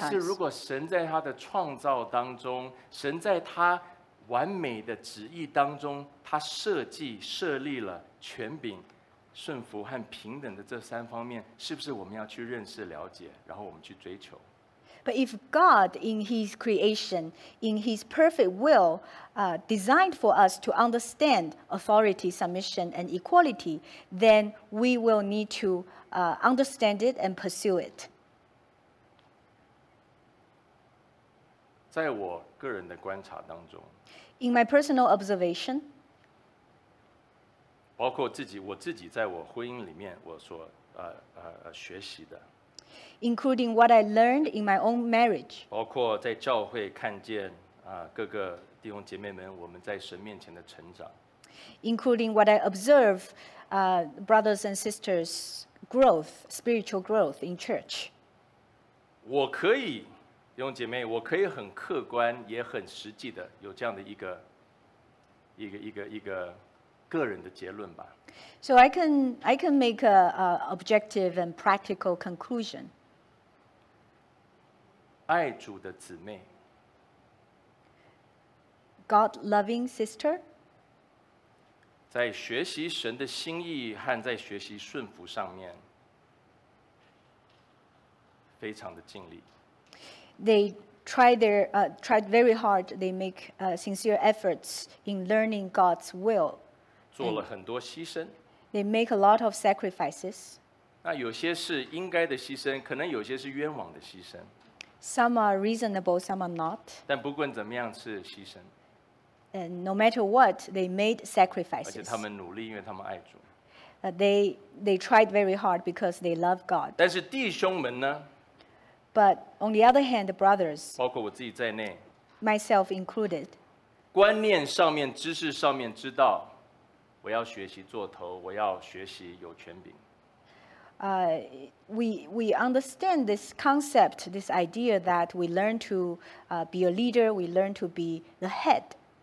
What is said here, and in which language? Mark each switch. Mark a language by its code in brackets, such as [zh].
[zh] 但是如果神在他的创造当中，神在他完美的旨意当中，他设计设立了权柄、顺服和平等的这三方面，是不是我们要去认识、了解，然后我们去追求？ [en] But if God in His creation, in His perfect will, designed for us to understand authority, submission, and equality, then we will need to understand it and pursue it. [zh] 在我个人的观察当中， [en] In my personal observation, [zh] 包括自己，我自己在我婚姻里面我所学习的， [en] including what I learned in my own marriage, [zh] 包括在教会看见各个弟兄姐妹们我们在神面前的成长， [en] including what I observe, brothers and sisters. Growth, spiritual growth in church. [zh] 我可以，弟兄姐妹，我可以很客观，也很实际的有这样的一个个人的结论吧。 [en] So I can make a objective and practical conclusion. [zh] 爱主的姊妹 [en] ，God loving sister. [zh] 在学习神的心意和在学习顺服上面非常的尽力。 [en] They tried very hard. They make sincere efforts in learning God's will. [zh] 做了很多牺牲。 [en] They make a lot of sacrifices. [zh] 那有些是应该的牺牲，可能有些是冤枉的牺牲。 [en] Some are reasonable, some are not. [zh] 但不管怎么样是牺牲, [en] and no matter what, they made sacrifices. [zh] 而且他们努力, [en] they tried very hard because they love God. [zh] 但是弟兄们呢? [en] But on the other hand, the brothers, [zh] 包括我自己在内, [en] myself included, [zh] 观念上面, 知识上面, 知道, 我要学习做头, 我要学习有权柄。 [en] We understand this concept, this idea that we learn to be a leader, we learn to be the head.